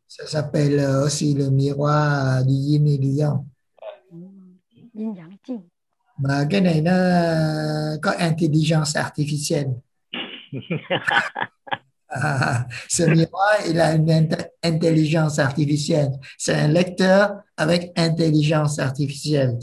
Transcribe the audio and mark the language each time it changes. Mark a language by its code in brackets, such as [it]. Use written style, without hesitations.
[fr] Ça s'appelle aussi le miroir du yin et du yang. [zh] Yin yang jing. [vi] Mà cái này nó có [fr] intelligence artificielle. Ce miroir, il a une intelligence artificielle. C'est un lecteur avec intelligence artificielle.